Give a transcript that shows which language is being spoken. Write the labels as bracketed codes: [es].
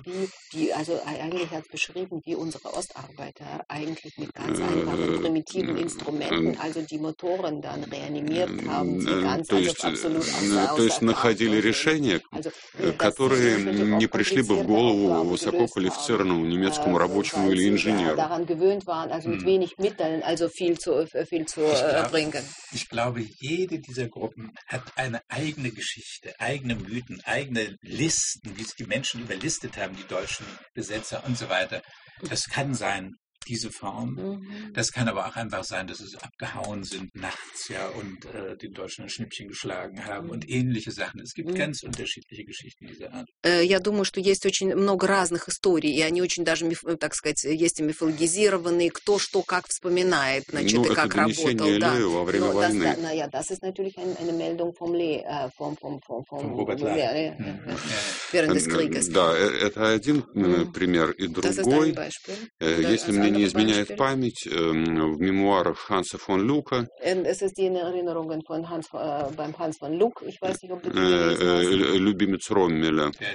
[ru] То есть находили решения, которые не пришли бы в голову высококвалифицированному немецкому рабочему или инженеру. [de] Mit wenig Mitteln, also viel zu erbringen. Ich glaube, jede dieser Gruppen hat eine eigene Geschichte, eigene Mythen, eigene Listen, wie es die Menschen überlistet haben, die deutschen Besetzer und so weiter. Das kann sein, diese Form. Mm-hmm. Das kann aber auch einfach sein, dass sie abgehauen sind nachts, ja, und den Deutschen ein Schnippchen geschlagen haben und ähnliche Sachen. Es gibt ganz unterschiedliche Geschichten dieser Art. [ru] Я думаю, что есть очень много разных историй, и они очень даже, так сказать, есть и мифологизированные, кто что как вспоминает, значит, и как работал. Ну, это донесение Лео во время войны. [de] Ну, ja, das ist natürlich eine Meldung vom Lee, vom Robert Lee. Während des Krieges. [ru] Да, это один пример, и другой. Если мне не изменяет память, в мемуарах Ханса фон Люка «Любимец Роммеля».